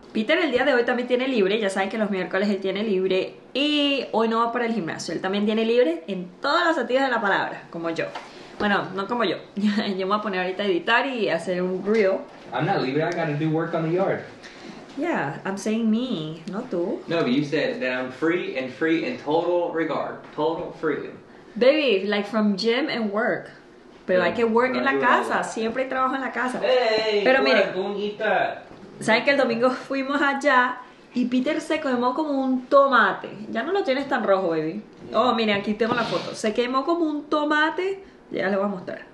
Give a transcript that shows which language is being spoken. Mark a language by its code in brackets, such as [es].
[es] Peter el día de hoy también tiene libre, ya saben que los miércoles él tiene libre y hoy no va para el gimnasio. Él también tiene libre en todos los sentidos de la palabra, como yo. Bueno, no como yo. Yo me voy a poner ahorita a editar y hacer un reel. [en] I'm not [es] libre, [en] I gotta do work on the yard. Yeah, I'm saying me, [es] no tú. [en] No, but you said that I'm free and free in total regard, total freedom. Baby, like from gym and work. [es] Pero hay que [en] work [es] en la casa, siempre hay trabajo en la casa. Hey, pero mire, ¿saben que el domingo fuimos allá y Peter se quemó como un tomate? Ya no lo tienes tan rojo, baby. Oh, miren, aquí tengo la foto. Se quemó como un tomate. Ya les voy a mostrar.